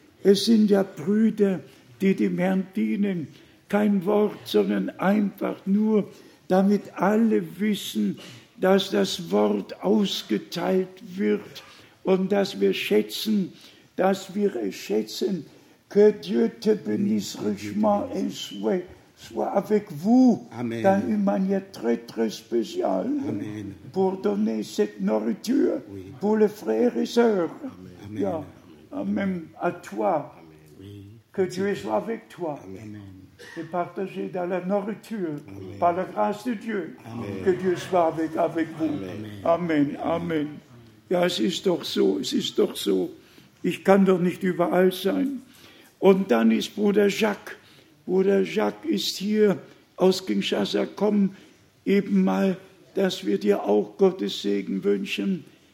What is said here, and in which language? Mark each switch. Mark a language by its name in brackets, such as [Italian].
[German] Es sind ja Brüder, die dem Herrn dienen. Kein Wort, sondern einfach nur, damit alle wissen, dass das Wort ausgeteilt wird und dass wir schätzen, dass wir es schätzen. [French] Que Dieu te bénisse richement et souhait. Sois avec vous Amen. Dans une manière très, très spéciale Amen. Pour donner cette nourriture oui. pour les frères et sœurs. Amen. Yeah. Amen. À toi. Amen. Oui. Que Dieu soit avec toi. Amen. Et partager dans la nourriture Amen. Par la grâce de Dieu. Amen. Que Dieu soit avec vous. Amen. Amen. Amen. [German] Amen. Ja, es ist doch so, es ist doch so. Ich kann doch nicht überall sein. Und dann ist Bruder Jacques. Bruder Jacques ist hier aus Kinshasa. Komm eben mal, dass wir dir auch Gottes Segen wünschen.